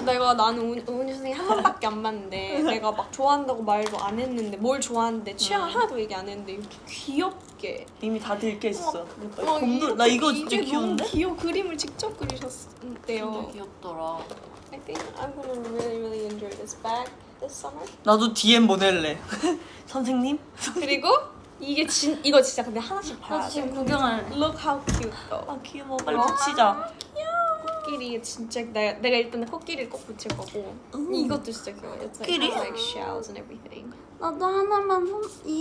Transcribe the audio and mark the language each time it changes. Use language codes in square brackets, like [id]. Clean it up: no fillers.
[ko] 나는 은유 선생님 한 번밖에 안 봤는데 내가 막 좋아한다고 말도 안 했는데 뭘 좋아하는데 취향을 하나도 얘기 안 했는데 이렇게 이미 다 들켰어. 귀엽게 막 곰돌 나 이거 진짜 이게 너무 귀여운데? 귀여워 그림을 직접 그리셨대요. 진짜 귀엽더라. [en] I think I'm gonna really enjoy this bag this summer. [ko] 나도 DM 보낼래. 선생님? 그리고 이거 진짜 근데 하나씩 봐야 나도 지금 돼. 구경하는. [en] Look how cute though. [ko] 아 귀여워. 빨리 붙이자. 코끼리 진짜 내가 일단 코끼리를 꼭 붙일 거고 이것도 진짜 귀여워. [en] It's like [ko] 코끼리? [en] has like shells and everything. [ko] 나도 하나만 이